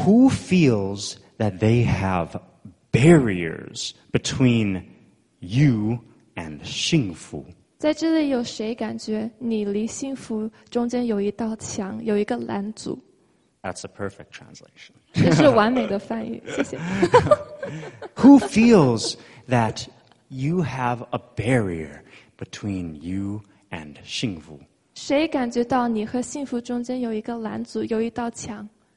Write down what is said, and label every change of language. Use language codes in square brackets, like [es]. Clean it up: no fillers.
[en] Who feels that they have barriers between you and 幸福? [zh] 在这里有谁感觉你离幸福中间有一道墙,有一个拦阻? [en] That's a perfect translation. [zh] 这是完美的翻译，谢谢。 [en] Who feels that you have a barrier between you and 幸福？ [zh] 谁感觉到你和幸福中间有一个拦阻，有一道墙